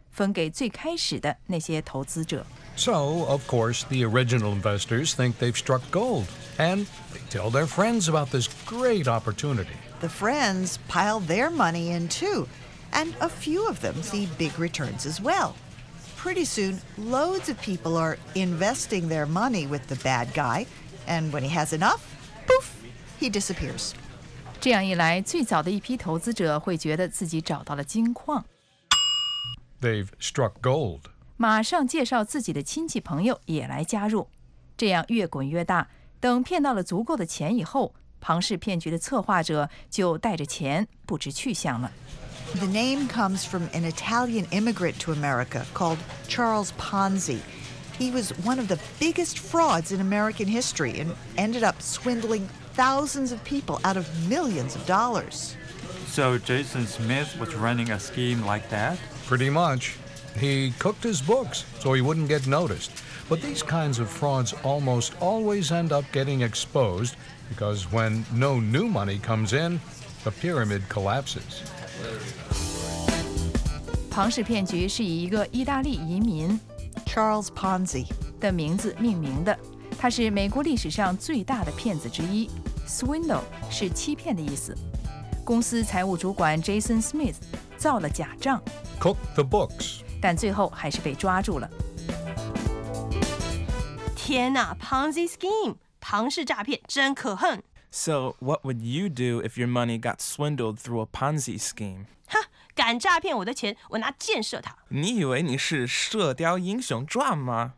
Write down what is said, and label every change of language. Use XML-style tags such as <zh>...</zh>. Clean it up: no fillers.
<zh>分给最开始的那些投资者。</zh> <en>So, of course, the original investors think they've struck gold, and they tell their friends about this great opportunity. The friends pile their money in too, and a few of them see big returns as well. Pretty soon, loads of people are investing their money with the bad guy, and when he has enough, poof, he disappears.</en> <zh>这样一来，最早的一批投资者会觉得自己找到了金矿。</zh> <en>They've struck gold.</en> <zh>马上介绍自己的亲戚朋友也来加入，这样越滚越大。等骗到了足够的钱以后，庞氏骗局的策划者就带着钱不知去向了。</zh> <en>The name comes from an Italian immigrant to America called Charles Ponzi. He was one of the biggest frauds in American history and ended up swindling thousands of people out of millions of dollars. So Jason Smith was running a scheme like that? Pretty much. He cooked his books so he wouldn't get noticed. But these kinds of frauds almost always end up getting exposed because when no new money comes in, the pyramid collapses.</en> <zh>庞氏骗局是以一个意大利移民</zh> <en>Charles Ponzi</en> <zh>的名字命名的。他是美国历史上最大的骗子之一。 Swindle 是欺骗的意思。公司财务主管 Jason Smith 造了假账。</zh> <en>Cooked the books.</en> <zh>但最后还是被抓住了。天哪 ，Ponzi scheme， 庞氏诈骗真可恨。</zh> <en>So what would you do if your money got swindled through a Ponzi scheme？</en> <zh>哈，敢诈骗我的钱，我拿箭射他。你以为你是《射雕英雄传》吗？</zh>